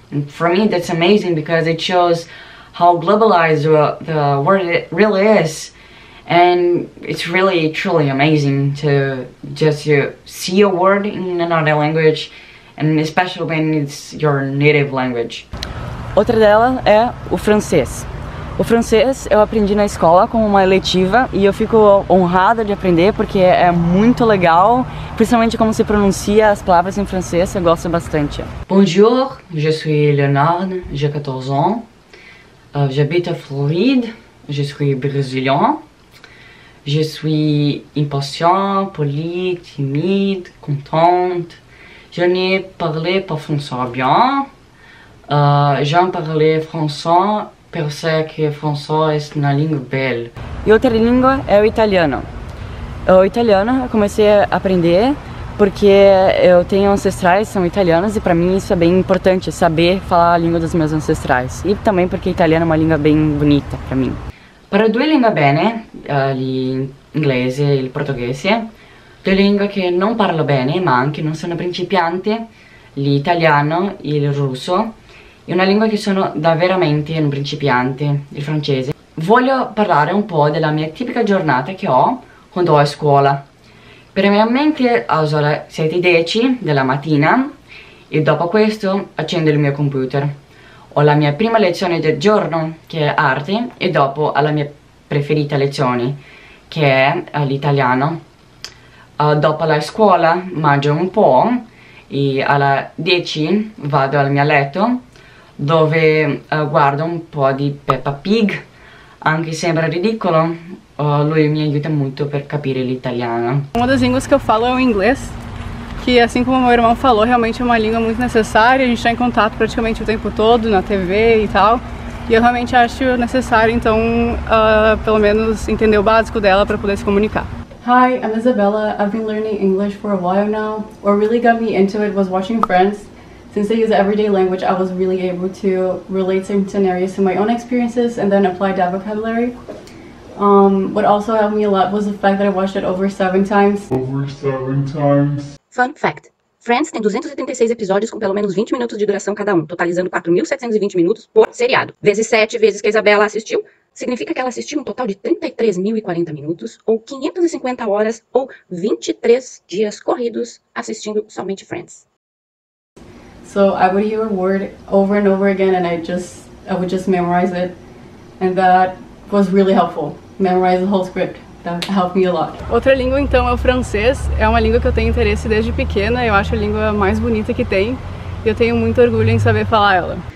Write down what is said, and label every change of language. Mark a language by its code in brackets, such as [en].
[en] And for me, that's amazing because it shows how globalized the word it really is, and it's really truly amazing to just to see a word in another language, and especially when it's your native language. [pt] Outra dela é o francês. O francês eu aprendi na escola como uma eletiva e eu fico honrada de aprender porque é muito legal, principalmente como se pronuncia as palavras em francês, eu gosto bastante. [fr] Bonjour, je suis Leonardo, j'ai 14 ans. J'habite à Floride, je suis brésilien. Je suis impatient, poli, timide, contente. Je ne parle pas français bien. J'en parle français. [pt] Pensei que francês é uma língua bela. E outra língua é o italiano. O italiano eu comecei a aprender porque eu tenho ancestrais que são italianos e para mim isso é bem importante, saber falar a língua dos meus ancestrais. E também porque italiano é uma língua bem bonita para mim. Para duas línguas bem, né? Inglês e português. Duas línguas que não falo bem, mas que não [it] sono principiante, l'italiano e il russo. È una lingua che sono davvero un principiante, il francese. Voglio parlare un po' della mia tipica giornata che ho quando ho a scuola. Primeramente alzo alle 7:10 della mattina e dopo questo accendo il mio computer. Ho la mia prima lezione del giorno, che è arte, e dopo ho la mia preferita lezione, che è l'italiano. Dopo la scuola mangio un po' e alle 10 vado al mio letto, dove guardo un po' di Peppa Pig, anche se sembra ridicolo, lui mi aiuta molto per capire l'italiano. [pt] Uma das línguas que eu falo é o inglês, que assim como meu irmão falou, realmente é uma língua muito necessária, a gente está em contato praticamente o tempo todo, na TV e tal, e eu realmente acho necessário, então, pelo menos entender o básico dela para poder se comunicar. [en] Hi, I'm Isabella. I've been learning English for a while now. What really got me into it was watching Friends. Since they use everyday language, I was really able to relate certain scenarios to my own experiences and then apply that vocabulary. What also helped me a lot was the fact that I watched it over 7 times. Over 7 times. Fun fact, [pt] Friends tem 276 episódios com pelo menos 20 minutos de duração cada um, totalizando 4.720 minutos por seriado. Vezes 7 vezes que a Isabela assistiu, significa que ela assistiu um total de 33.040 minutos, ou 550 horas, ou 23 dias corridos assistindo somente Friends. [en] So I would hear a word over and over again, and I would just memorize it, and that was really helpful. Memorize the whole script. That helped me a lot. [pt] Outra língua, então, é o francês. É uma língua que eu tenho interesse desde pequena. Eu acho a língua mais bonita que tem. E eu tenho muito orgulho em saber falar ela.